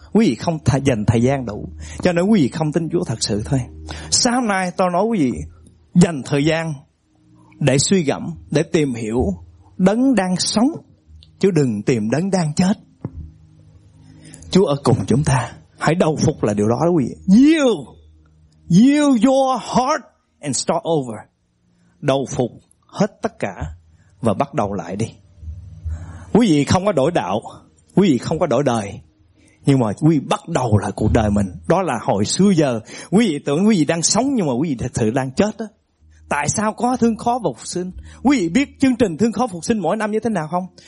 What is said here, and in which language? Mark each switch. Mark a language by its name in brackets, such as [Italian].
[Vietnamese] Quý vị không dành thời gian đủ, cho nên quý vị không tin Chúa thật sự thôi. Sáng hôm nay tôi nói quý vị dành thời gian để suy gẫm, để tìm hiểu đấng đang sống, chứ đừng tìm đấng đang chết. Chúa ở cùng chúng ta, hãy đầu phục là điều đó quý vị. [English] Yield your heart and start over. [Vietnamese] Đầu phục hết tất cả và bắt đầu lại đi. Quý vị không có đổi đạo, quý vị không có đổi đời, nhưng mà quý vị bắt đầu lại cuộc đời mình. Đó là hồi xưa giờ, quý vị tưởng quý vị đang sống nhưng mà quý vị thật sự đang chết đó. Tại sao có thương khó phục sinh? Quý vị biết chương trình thương khó phục sinh mỗi năm như thế nào không?